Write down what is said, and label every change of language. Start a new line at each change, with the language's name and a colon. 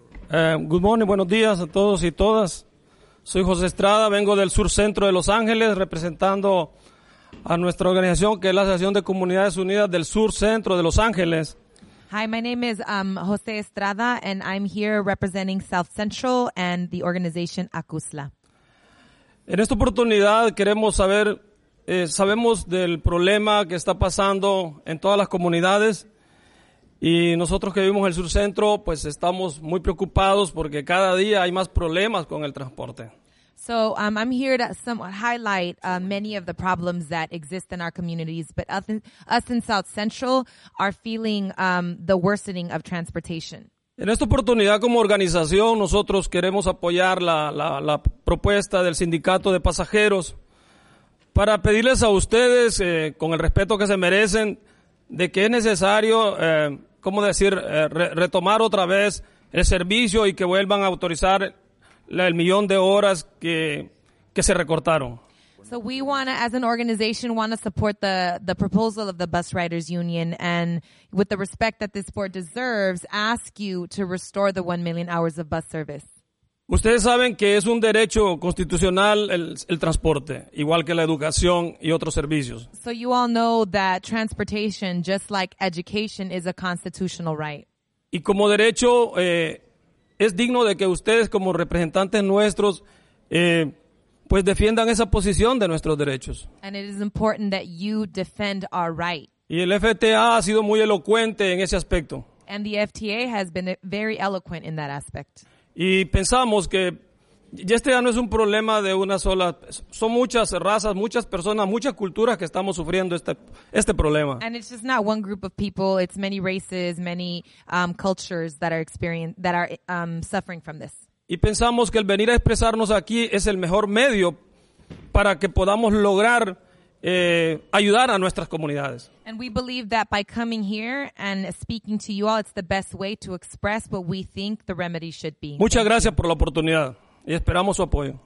English: Good morning,
Spanish: buenos días a todos y todas. Soy Jose Estrada, vengo del sur centro de Los Ángeles, representando a nuestra organización, que es la Asociación de Comunidades Unidas del Sur Centro de Los Ángeles.
English: Hi, my name is Jose Estrada, and I'm here representing South Central and the organization ACUSLA.
Spanish: En esta oportunidad queremos saber, sabemos del problema que está pasando en todas las comunidades, y nosotros que vivimos en el Sur Centro, pues estamos muy preocupados porque cada día hay más problemas con el transporte.
English: So I'm here to somewhat highlight many of the problems that exist in our communities, but us in South Central are feeling the worsening of transportation.
Spanish: En esta oportunidad como organización, nosotros queremos apoyar la propuesta del sindicato de pasajeros para pedirles a ustedes, con el respeto que se merecen, de que es necesario, retomar otra vez el servicio y que vuelvan a autorizar el millón de horas que se recortaron.
English: So we want to support the proposal of the Bus Riders Union, and with the respect that this board deserves, ask you to restore the 1 million hours of bus service.
Spanish: Ustedes saben que es un derecho constitucional el transporte, igual que la educación y otros servicios.
English: So you all know that transportation, just like education, is a constitutional right.
Spanish: Y como derecho, es digno de que ustedes, como representantes nuestros, pues defiendan esa posición de nuestros derechos.
English: And it is important that you defend our right.
Spanish: Y el FTA ha sido muy elocuente en ese aspecto.
English: And the FTA has been very eloquent in that aspect.
Spanish: Y pensamos que ya este ya no es un problema de una sola, son muchas razas, muchas personas, muchas culturas que estamos sufriendo este problema.
English: And it's just not one group of people, it's many races, many cultures that are suffering from this.
Spanish: Y pensamos que el venir a expresarnos aquí es el mejor medio para que podamos lograr ayudar a nuestras comunidades.
English: And we believe that by coming here and speaking to you all, it's the best way to express what we think the remedy should be.
Spanish: Muchas gracias por la oportunidad y esperamos su apoyo.